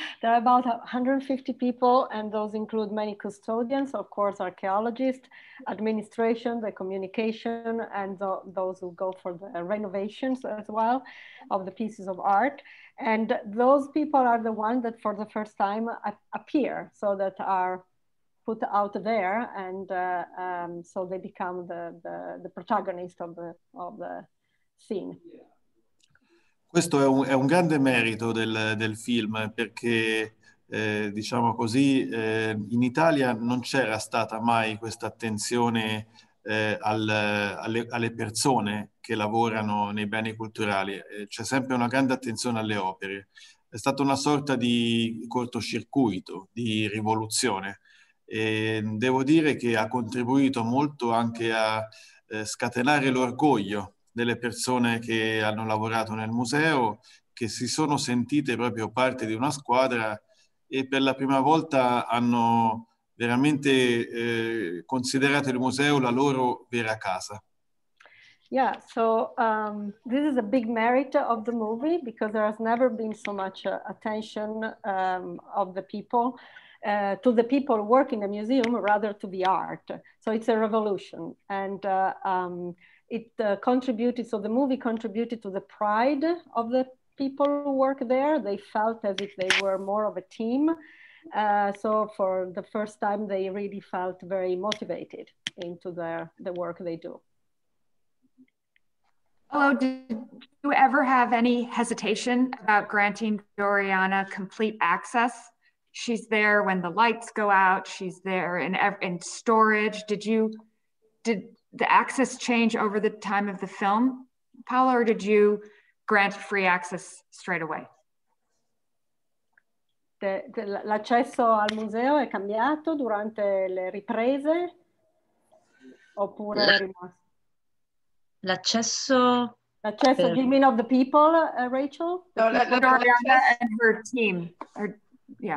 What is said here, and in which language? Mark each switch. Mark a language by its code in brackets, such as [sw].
[en] There are about 150 people, and those include many custodians, of course, archaeologists, administration, the communication, and those who go for the renovations as well of the pieces of art. And those people are the ones that for the first time appear, so that are put out there, and so they become the protagonist of the scene. Yeah. [it] Questo è un grande merito del film, perché diciamo così, in Italia non c'era stata mai questa attenzione alle persone che lavorano nei beni culturali. C'è sempre una grande attenzione alle opere. È stata una sorta di cortocircuito, di rivoluzione. E devo dire che ha contribuito molto anche a scatenare l'orgoglio delle persone che hanno lavorato nel museo, che si sono sentite proprio parte di una squadra e per la prima volta hanno veramente considerato il museo la loro vera casa. [en] Yeah, so this is a big merit of the movie, because there has never been so much attention of the people to the people working in the museum, rather to the art. So it's a revolution, and it contributed, so the movie contributed to the pride of the people who work there. They felt as if they were more of a team. So for the first time, they really felt very motivated into the work they do. Hello, did you ever have any hesitation about granting Doriana complete access? She's there when the lights go out, she's there in storage. Did the access change over the time of the film, Paola, or did you grant free access straight away? [it] L'accesso al museo è cambiato durante le riprese? Oppure L'accesso, [en] do you mean of the people, Rachel? Doriana and her team. Or, yeah.